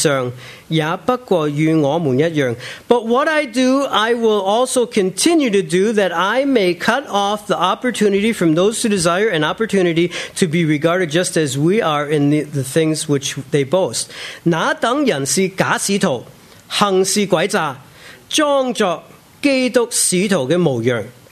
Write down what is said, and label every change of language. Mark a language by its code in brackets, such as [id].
[zh] 我現在所做的後來還要做，為要斷絕那些尋機會的人的機會，使他們在所夸的事上也不過與我們一樣。 [en] But what I do, I will also continue to do, that I may cut off the opportunity from those who desire an opportunity to be regarded just as we are in the things which they boast. [zh] 那等人是假使徒，行是詭詐，裝作基督使徒的模樣。